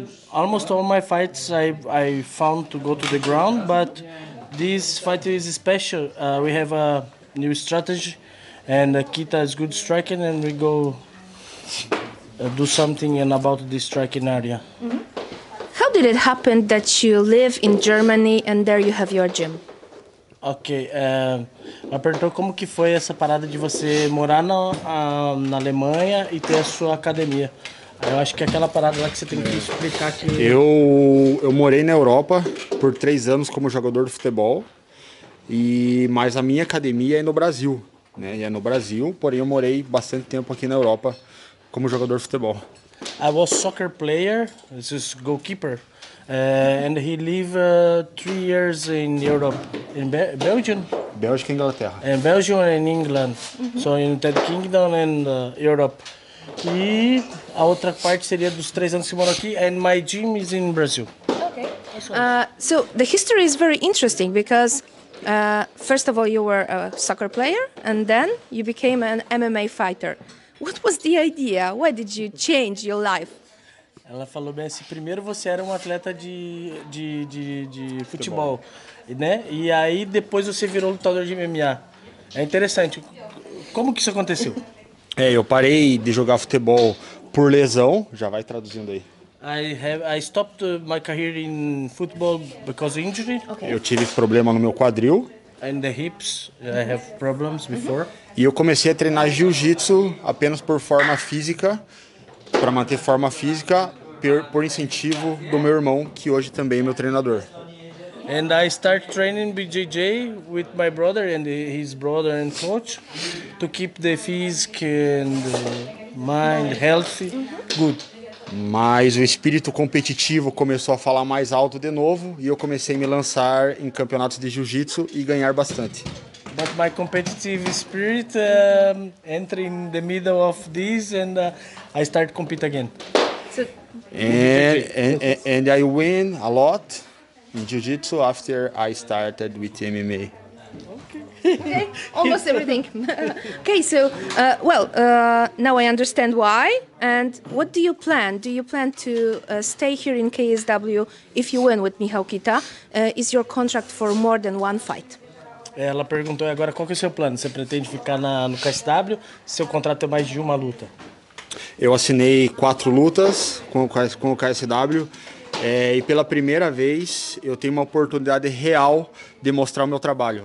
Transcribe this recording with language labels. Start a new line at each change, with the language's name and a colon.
English: Almost all my fights I found to go to the ground, but this fight is special. We have a new strategy, and Kita is good striking, and we go do something in about the striking area. Mm-hmm. How did it happen that you live in Germany and there you have your gym?
Portuguese: Okay, me perguntou como que foi essa parada de você morar na Alemanha e ter a sua academia. Eu acho que é aquela parada lá que você tem que explicar que... Eu morei na Europa por 3 anos como jogador de futebol, mas a minha academia é no Brasil, né? É no Brasil, porém eu morei bastante tempo aqui na Europa como jogador de futebol.
English: I was soccer player, this is goalkeeper, and he live 3 years in Europe, in Belgium.
Portuguese: Bélgica e Inglaterra.
English: In Belgium and England, so in the Kingdom and Europe.
Portuguese: E a outra parte seria dos 3 anos que moro aqui,
English: and my gym is in Brazil. Okay. So the history is very interesting because first of all you were a soccer player and then you became an MMA fighter. What was the idea? Why did you change your life?
Portuguese: Ela falou bem assim, primeiro você era um atleta de futebol, né? E aí depois você virou lutador de MMA. É interessante. Como que isso aconteceu? Eu parei de jogar futebol por lesão. Já vai traduzindo aí.
English: I stopped my career in football because of injury.
Portuguese: Okay. Eu tive problema no meu quadril.
English: And the hips, I have problems before.
Portuguese: E eu comecei a treinar jiu-jitsu apenas por forma física, para manter forma física, por incentivo do meu irmão, que hoje também é meu treinador.
English: And I start training BJJ with my brother and his brother and coach to keep the physique and mind healthy good.
Portuguese: Mas o espírito competitivo começou a falar mais alto de novo e eu comecei a me lançar em campeonatos de jiu-jitsu e ganhar bastante.
English: But my competitive spirit entered in the middle of this and I start compete again. And I win a lot. In jiu-jitsu, after I started with MMA. Okay, almost everything. Okay, so, now I understand why. And what do you plan? Do you plan to stay here in KSW if you win with Michał Kita? Is your contract for more than one fight?
Portuguese: Ela perguntou agora qual que é o seu plano. Você pretende ficar no KSW? Seu contrato é mais de uma luta? Eu assinei 4 lutas com o KSW. E pela primeira vez eu tenho uma oportunidade real de mostrar o meu trabalho.